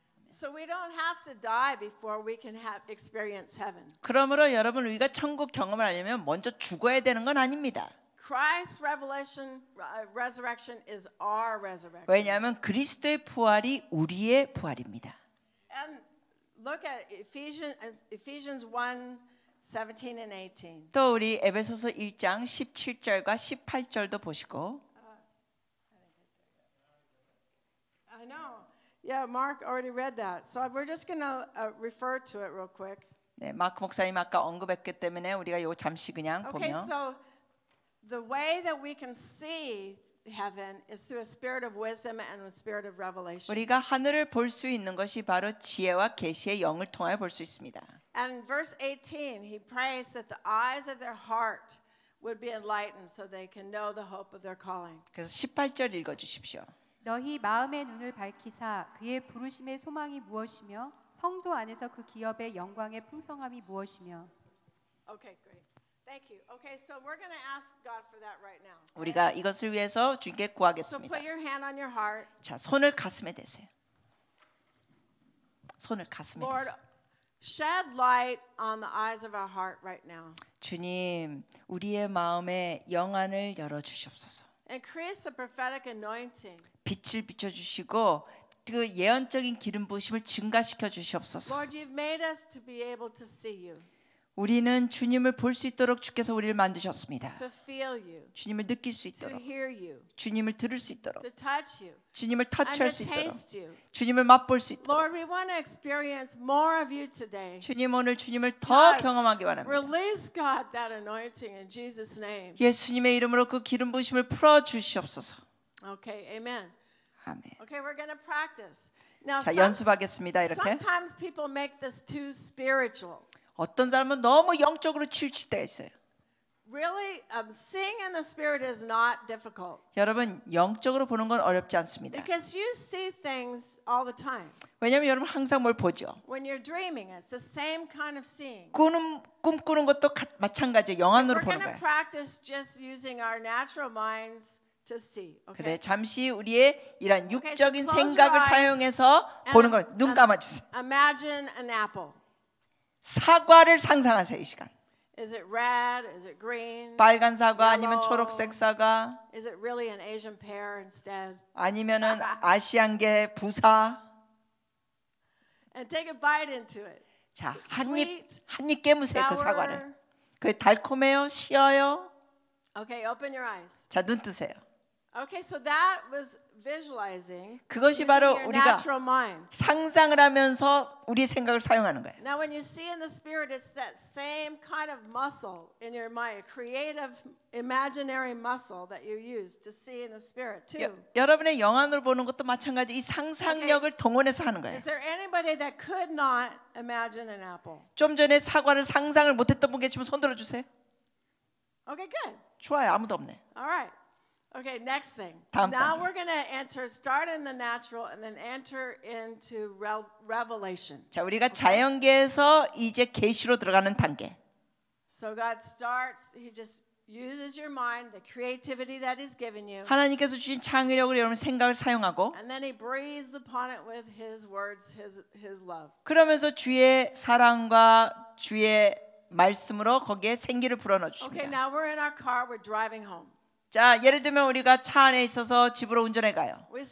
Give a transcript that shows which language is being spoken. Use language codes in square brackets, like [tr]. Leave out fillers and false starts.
[en] So we don't have to die before we can have experience heaven. [ko] 그러므로 여러분 우리가 천국 경험을 하려면 먼저 죽어야 되는 건 아닙니다. [en] Christ's revelation resurrection is our resurrection. [ko] 왜냐하면 그리스도의 부활이 우리의 부활입니다. [en] And look at Ephesians 1:17-18. [ko] 또 우리 에베소서 1장 17절과 18절도 보시고 [en] Yeah, Mark already read that. So we're just going to refer to it real quick. [ko] 네, 마크 목사님 아까 언급했기 때문에 우리가 요 잠시 그냥 [en] okay, [ko] 보면. [en] Okay, so the way that we can see heaven is through a spirit of wisdom and a spirit of revelation. [ko] 우리가 하늘을 볼 수 있는 것이 바로 지혜와 계시의 영을 통하여 볼 수 있습니다. [en] And in verse 18, he prays that the eyes of their heart would be enlightened so they can know the hope of their calling. [ko] 그래서 18절 읽어 주십시오. 너희 마음의 눈을 밝히사 그의 부르심의 소망이 무엇이며 성도 안에서 그 기업의 영광의 풍성함이 무엇이며 [en] Okay, great. Thank you. Okay, so we're going to ask God for that right now. [ko] 우리가 이것을 위해서 주님께 구하겠습니다. [en] So put your hand on your heart. [ko] 자, 손을 가슴에 대세요. 손을 가슴에 대세요. [en] Lord, shed light on the eyes of our heart right now. [ko] 주님, 우리의 마음에 영안을 열어 주시옵소서. [en] Increase the prophetic anointing. [ko] 빛을 비춰 주시고 그 예언적인 기름 부으심을 증가시켜 주시옵소서. [en] Lord, you've made us to be able to see you. [ko] 우리는 주님을 볼 수 있도록 주께서 우리를 만드셨습니다. [en] To feel you. [ko] 주님을 느낄 수 있도록. [en] To hear you. [ko] 주님을 들을 수 있도록. [en] To touch you. [ko] 주님을 터치할 수 있도록. [en] And taste you. [ko] 주님을 맛볼 수 있도록. [en] Lord, we want to experience more of you today. [ko] 주님 오늘 주님을 더 경험하기 원합니다. [en] Release God that anointing in Jesus' name. [ko] 예수님의 이름으로 그 기름 부으심을 풀어 주시옵소서. [en] Okay, amen. Amen. Okay, we're going to practice. Now, [ko] 자, 연습하겠습니다. 이렇게. [en] Sometimes people make this too spiritual. [ko] 어떤 사람은 너무 영적으로 치우칠 때 있어요. [en] Really, seeing in the spirit is not difficult. [ko] 여러분 영적으로 보는 건 어렵지 않습니다. [en] Because you see things all the time. [ko] 왜냐하면 여러분 항상 뭘 보죠. [en] When you're dreaming, it's the same kind of seeing. [ko] 꿈꾸는 것도 마찬가지 영안으로 보는 거예요. [en] We're going to practice just using our natural minds to see. Okay. [ko] 그래 잠시 우리의 이런 육적인 생각을 사용해서 보는 걸 눈 감아주세요. [en] Imagine an apple. [ko] 사과를 상상하세요 이 시간. [en] Is it red? Is it green? [ko] 빨간 사과 아니면 초록색 사과? [en] Is it really an Asian pear instead? [ko] 아니면은 아시안계 부사? [en] And take a bite into it. [ko] 자, 한입 깨무세요 그 사과를. 그게 달콤해요? 시어요? [en] Okay, open your eyes. [ko] 자, 눈 뜨세요. [en] Okay, so that was visualizing. [ko] 그것이 바로 우리가 상상을 하면서 우리 생각을 사용하는 거예요. [en] Now when you see in the spirit it's that same kind of muscle in your mind, a creative imaginary muscle that you use to see in the spirit too. [ko] 여러분의 영안으로 보는 것도 마찬가지 이 상상력을 동원해서 하는 거예요. [en] Is there anybody that could not imagine an apple? [ko] 좀 전에 사과를 상상을 못 했던 분 계시면 손 들어 주세요. [en] Okay, good. [ko] 좋아요. 아무도 없네. [en] All right. Okay, next thing. [ko] 다음 [en] Now [ko] 다음 [en] we're going to enter start in the natural and then enter into revelation. [ko] 자, 우리가 okay. 자연계에서 이제 계시로 들어가는 단계. [en] So God starts, he just uses your mind, the creativity that he's given you. [ko] 하나님께서 주신 창의력을 여러분 생각을 사용하고 [en] and then he breathes upon it with his words, his love. [ko] 그러면서 주의 사랑과 주의 말씀으로 거기에 생기를 불어넣어 주십니다. [en] Okay, now we're in our car, we're driving home. [ko] 자, 예를 들면 우리가 차 안에 있어서 집으로 운전해 가요.